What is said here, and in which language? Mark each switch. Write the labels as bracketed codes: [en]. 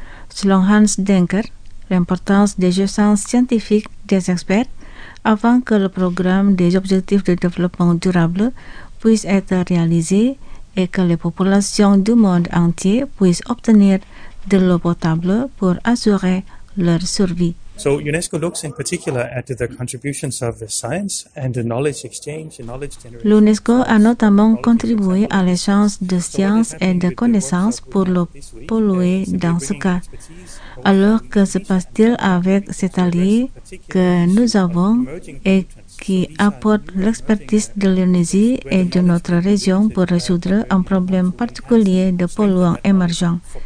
[fr] Selon Hans Dekker, l'importance des échanges scientifiques des experts afin que le programme des objectifs de développement durable puisse être réalisé et que les populations du monde entier puissent obtenir de l'eau potable pour assurer leur survie. [en] So UNESCO looks in particular at the contributions of the science and the knowledge exchange, knowledge generation. [fr] L'UNESCO a notamment contribué à l'échange de sciences et de connaissances pour l'eau polluée dans ce cas. Alors que se passe-t-il avec cet allié que nous avons et qui apporte l'expertise de l'Indonésie et de notre région pour résoudre un problème particulier de polluants émergents?